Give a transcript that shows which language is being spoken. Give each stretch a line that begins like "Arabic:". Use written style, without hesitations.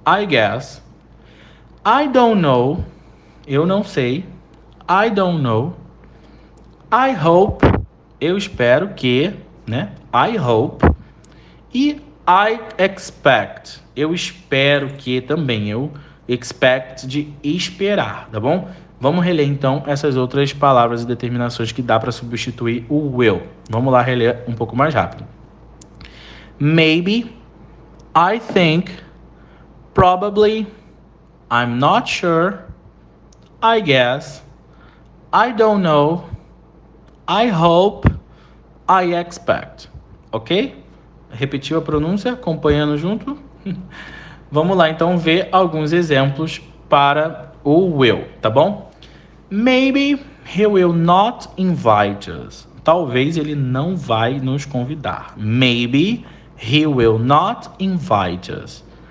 English: I guess, I don't know,
Portuguese: eu não sei,
English: I don't know, I hope,
Portuguese: eu espero que, né?
English: I hope,
Portuguese: e
English: I expect,
Portuguese: eu espero que também, eu expect de esperar, tá bom? Vamos reler então essas outras palavras e determinações que dá para substituir o will. Vamos lá reler um pouco mais rápido.
English: Maybe, I think, probably, I'm not sure, I guess, I don't know, I hope, I expect.
Portuguese: Ok? Repetiu a pronúncia, acompanhando junto? Vamos lá então ver alguns exemplos para o will, tá bom?
English: Maybe he will not invite us.
Portuguese: Talvez ele não vai nos convidar.
English: Maybe he will not invite us.